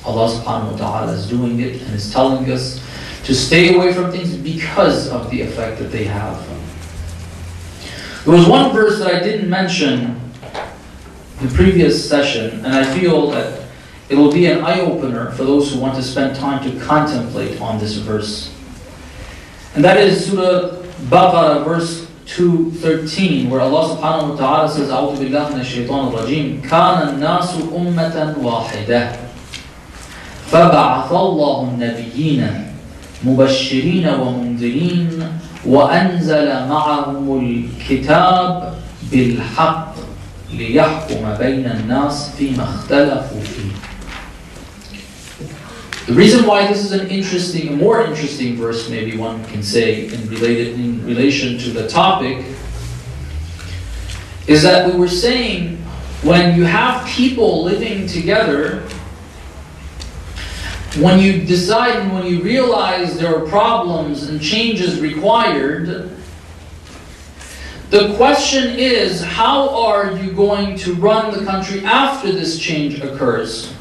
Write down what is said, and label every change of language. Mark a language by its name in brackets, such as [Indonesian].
[English] Allah subhanahu wa ta'ala is doing it and is telling us to stay away from things because of the effect that they have. There was one verse that I didn't mention in the previous session, and I feel that it will be an eye-opener for those who want to spend time to contemplate on this verse. And that is Surah Baqarah, verse 213, where Allah subhanahu wa ta'ala says, [Arabic] أعوذ بالله من الشيطان الرجيم كَانَ النَّاسُ أُمَّةً وَاحِدَةً فَبَعَثَ اللَّهُ النَّبِيِّينَ مُبَشِّرِينَ وَمُنذِرِينَ وَأَنزَلَ مَعَهُمُ الْكِتَابِ بِالْحَقِّ لِيَحْكُمَ بَيْنَ النَّاسِ فِي مَا اخْتَلَفُوا فِيهِ. [English] The reason why this is an interesting, a more interesting verse, maybe one can say, in relation to the topic, is that we were saying, when you have people living together, when you decide and when you realize there are problems and changes required, the question is, how are you going to run the country after this change occurs?